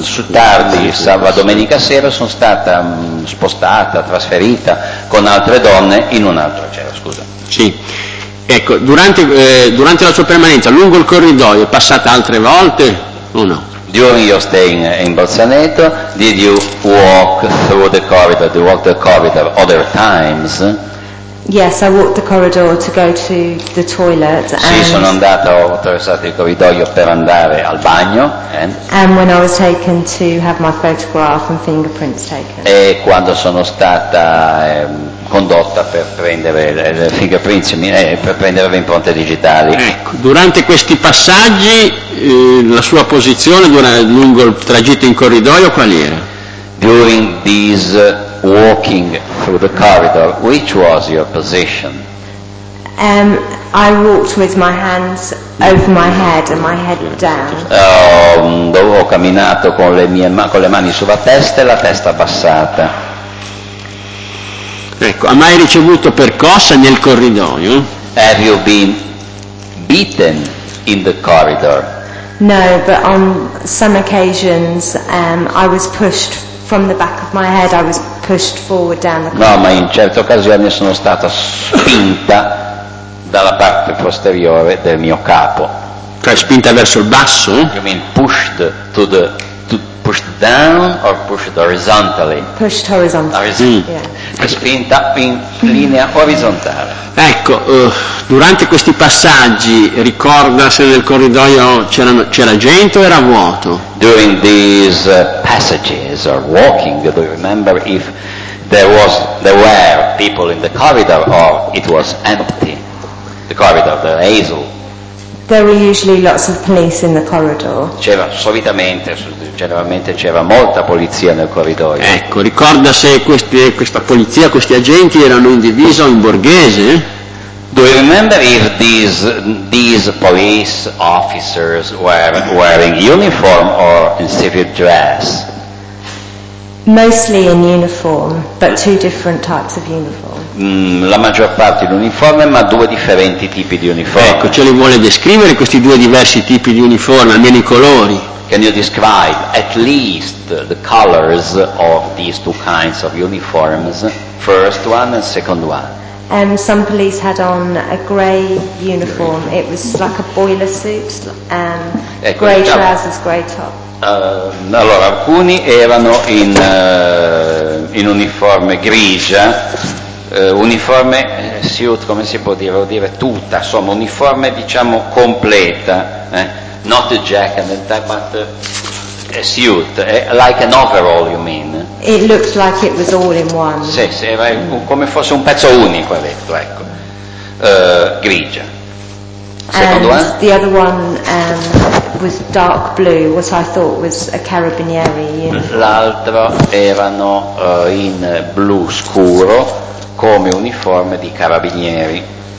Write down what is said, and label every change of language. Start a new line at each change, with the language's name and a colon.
Italian: Tardi sabato domenica sera sono stata spostata, trasferita con altre donne in un'altra cella, scusa. Sì. Ecco, durante la sua permanenza lungo il corridoio è passata altre volte o no?
English: During your stay in Bolzaneto, did you walk through the corridor? Did you walk the corridor other times? Yes, I walked the corridor to go to the toilet.
Italian: Sì, sono andata, ho attraversato il corridoio per andare al bagno.
English: And when I was taken to have my photograph and fingerprints taken.
Italian: E quando sono stata condotta per prendere le fingerprints, per prendere le impronte digitali. Ecco, durante questi passaggi la sua posizione lungo il tragitto in corridoio qual era?
English: During these walking through the corridor, which was your position? I walked with my hands over my head and my head down.
Italian: Ho camminato con le mani sulla testa e la testa abbassata. Ecco, ha mai ricevuto percosse nel corridoio?
English: Have you been beaten in the corridor? No, but on some occasions I was pushed from the back of my head, I was pushed forward down the corridor.
Italian: No, ma in certe occasioni sono stata spinta dalla parte posteriore del mio capo. Cioè spinta verso il basso?
English: You mean pushed to the pushed down or pushed horizontally? Pushed horizontally.
Italian: Spinta in linea orizzontale. Ecco, durante questi passaggi, ricorda se nel corridoio c'era gente o era vuoto?
English: During these passages or walking, do you remember if there were people in the corridor or it was empty? The corridor, the hazel. There were usually lots of police in the corridor.
Italian: Generalmente c'era molta polizia nel corridoio. Ecco, ricorda se questa polizia, questi agenti erano in divisa o in borghese?
English: Do you remember if these police officers were wearing uniform or in civil dress? Mostly in uniform, but two different types of uniform.
Italian: La maggior parte in uniforme, ma due differenti tipi di uniforme. Ecco, ce li vuole descrivere questi due diversi tipi di uniforme, almeno i colori?
English: Can you describe at least the colors of these two kinds of uniforms, first one and second one? Some police had on a grey uniform. It was like a boiler suit, grey trousers, grey top.
Italian: Allora, alcuni erano in uniforme grigia, uniforme suit, come si può dire? Vuol dire tuta, insomma, uniforme diciamo completa,
English: not a jacket, but a suit, like an overall, you mean? It looked like it was all in one.
Italian: Sì, era come fosse un pezzo unico, ha detto, ecco, grigia.
English: And the other one was dark blue, what I thought was a carabinieri uniform.
Italian: L'altro erano in blu scuro, come uniforme di carabinieri.